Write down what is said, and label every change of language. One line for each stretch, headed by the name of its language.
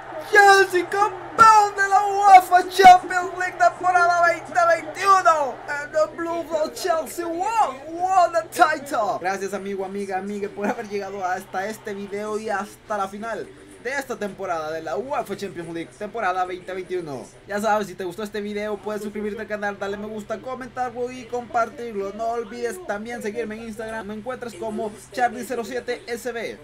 Spanish: Chelsea campeón de la UEFA Champions League temporada 2021.
English: And the Blue Bulls Chelsea won the title.
Spanish: Gracias amigo, amiga, amigue por haber llegado hasta este video y hasta la final de esta temporada de la UEFA Champions League temporada 2021. Ya sabes, si te gustó este video puedes suscribirte al canal, darle me gusta, comentarlo y compartirlo. No olvides también seguirme en Instagram, me encuentras como Charlie07SB.